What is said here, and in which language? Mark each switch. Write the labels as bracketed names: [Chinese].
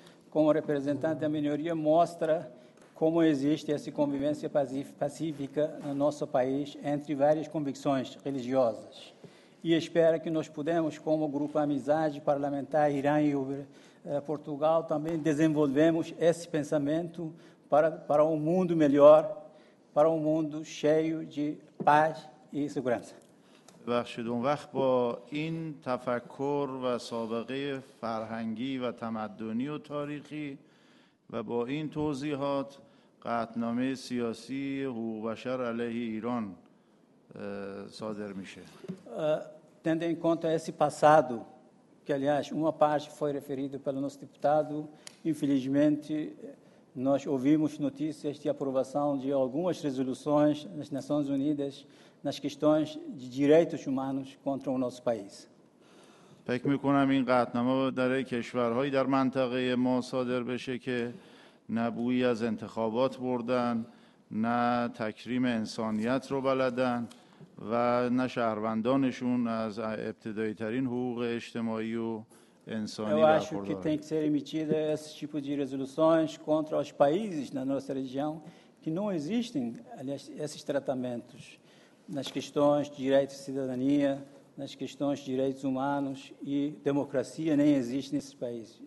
[Portuguese] Como representante da minoria, mostra como existe essa convivência pacífica no nosso país entre várias convicções religiosas. E espera que nós podemos, como grupo Amizade Parlamentar Irã e Portugal, também desenvolvemos esse pensamento para um mundo melhor, para um mundo cheio de paz e segurança. [Persian] بخشید اون وقت با این تفکر و سابقه فرهنگی و تمدنی و تاریخی و با این توضیحات قطعنامه سیاسی حقوق بشر علیه ایران صادر میشه. [Portuguese] Tendo em conta esse passado, que aliás uma parte foi referido pelo nosso deputado, infelizmente nós ouvimos notícias de aprovação de algumas resoluções nas Nações Unidas nas questões de direitos humanos contra o nosso país. [Persian] فکر می‌کنم این قطعنامه در کشورهایی در منطقه ما صادر بشه که نه بویی از انتخابات بردن، نه تکریم انسانیت رو بلدن و نه شهروندانشون از ابتدایی ترین حقوق اجتماعی و انسانی برخوردار. [Portuguese] Eu acho que tem que ser emitida esse tipo de resoluções contra os países na nossa região que não existem aliás, esses tratamentos nas questões de direitos de cidadania, nas questões de direitos humanos e democracia nem existe nesse país.